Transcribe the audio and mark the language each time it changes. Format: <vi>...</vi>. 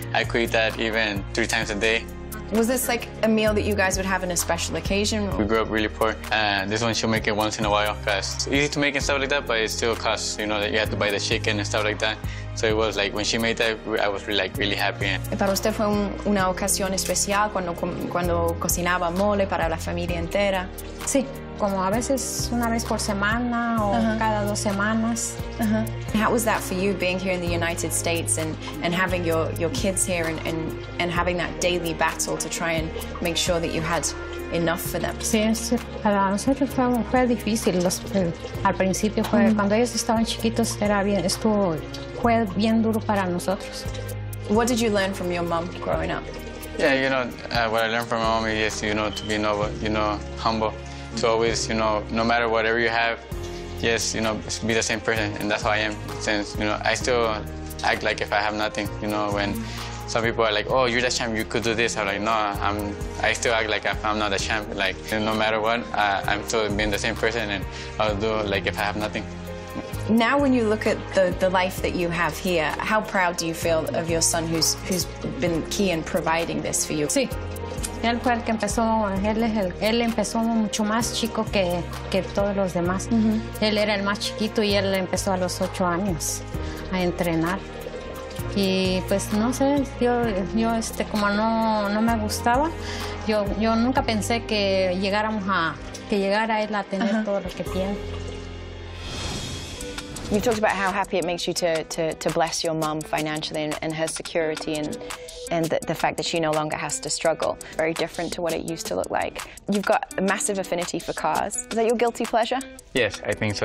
<en>I could eat that even 3 times a day. Was this like a meal that you guys would have in a special occasion? We grew up really poor, and this one she'll make it once in a while because it's easy to make and stuff like that, but it still costs, you know, that you have to buy the chicken and stuff like that. So it was like when she made that, I was really, like, really happy.</en> <es>Para usted fue una ocasión especial cuando cocinaba mole para la familia entera. Sí, como a veces una vez por semana o cada dos semanas.</es> <en>How was that for you, being here in the United States and having your kids here and having that daily battle to try and make sure that you had enough for them.</en> <es>Sí, sí, para nosotros fue difícil. Al principio, cuando ellos estaban chiquitos, fue bien duro para nosotros.</es> <en>What did you learn from your mom growing up? Yeah, you know, what I learned from my mom is, you know, to be noble, you know, humble. To always, you know, no matter whatever you have, yes, you know, be the same person. And that's how I am. Since, you know, I still act like if I have nothing, you know, when some people are like, oh, you're the champ, you could do this. I'm like, no, I still act like if I'm not a champ. Like, no matter what, I'm still being the same person, and I'll do like if I have nothing. Now, when you look at the life that you have here, how proud do you feel of your son who's been key in providing this for you?</en> <es>Sí. Él fue el que empezó, él empezó mucho más chico que todos los demás. Uh-huh. Él era el más chiquito y él empezó a los 8 años a entrenar. Y pues no sé, yo como no me gustaba, yo nunca pensé que llegara él a tener uh-huh. todo lo que tiene.</es> <en>You talked about how happy it makes you to bless your mom financially and her security and the fact that she no longer has to struggle. Very different to what it used to look like. You've got a massive affinity for cars. Is that your guilty pleasure? Yes, I think so.</en>